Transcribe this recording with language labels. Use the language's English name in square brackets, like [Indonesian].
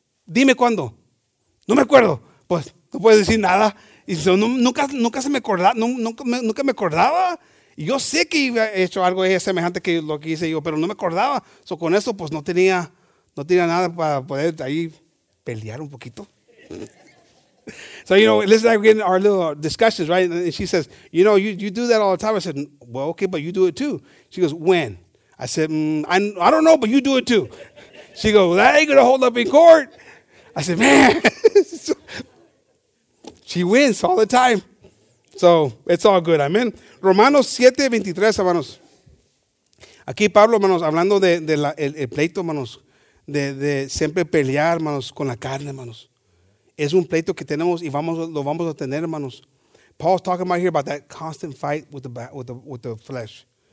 [Spanish] Dime cuándo. No me acuerdo. Pues, no puedes decir nada. Y dice, nunca me acordaba. Yo sé que he hecho algo semejante que lo que hice yo, pero no me acordaba. So, con eso, pues no tenía nada para poder ahí pelear un poquito. [English] So, you know, listen, like we're getting our little discussions, right? And she says, you know, you do that all the time. I said, well, okay, but you do it too. She goes, when? I said, I don't know, but you do it too. She goes, well, that ain't going to hold up in court. I said, man. She wins all the time. So it's all good. Amen. [Spanish] Romanos 7:23, hermanos. Aquí Pablo, hermanos, hablando del pleito, hermanos, de siempre pelear, hermanos, con la carne, hermanos. Es un pleito que tenemos y lo vamos a tener, hermanos. [English] Paul's talking about here about that constant fight with the flesh.